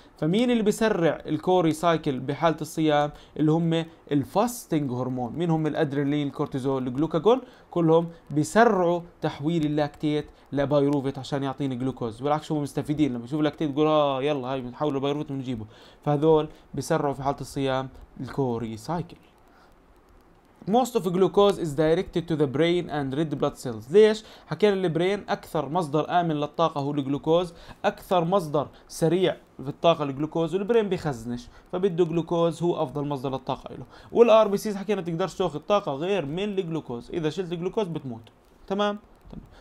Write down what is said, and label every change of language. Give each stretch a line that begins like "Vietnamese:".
Arabic: فمين اللي بيسرع الكوري سايكل بحاله الصيام؟ اللي هم الفاستنج هرمون. مين هم؟ الادرينالين، الكورتيزول، الجلوكاجون، كلهم بيسرعوا تحويل اللاكتيت لبايروفيت عشان يعطيني جلوكوز. بالعكس هم مستفيدين لما يشوفوا اللاكتيت يقول اه يلا هاي بنحوله لبايروفيت ونجيبه. فهذول بيسرعوا في حاله الصيام الكوري سايكل.
English: Most of glucose is directed to the brain and red blood cells.
Arabic: ليش؟ حكينا البرين أكثر مصدر آمن للطاقة هو الجلوكوز، أكثر مصدر سريع في الطاقة الجلوكوز، والبرين بيخزنش، فبده جلوكوز هو أفضل مصدر للطاقة له. والآر بي سيز حكينا تقدرش تاخذ طاقة غير من الجلوكوز، إذا شلت الجلوكوز بتموت. تمام؟ تمام.